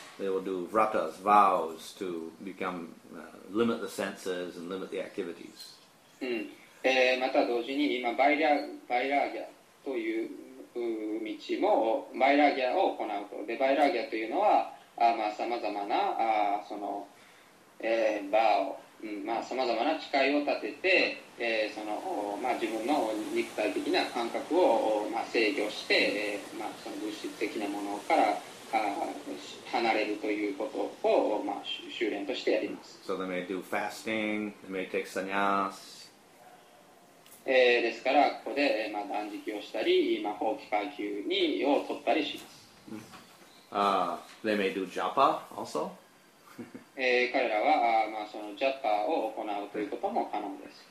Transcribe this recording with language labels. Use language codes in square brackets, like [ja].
[en] They will do vratas, vows to become, limit the senses and limit the activities. [ja] また同時に今バイラギャという道もバイラギャを行うと。で、バイラギャというのはまあ、様々なそのバーを、まあ、さまざまな誓いを立てて、その、まあ、自分の肉体的な感覚を、まあ、制御して、まあ、その物質的なものから離れるということを、まあ、修練としてやります。 [en] So they may do fasting, they may take sannyas. [ja] ですから、ここで、まあ、断食をしたり、まあ、放棄階級にを取ったりします。 [en] They may do japa also. [ja] 彼らは、まあ、そのジャッパを行うということも可能です。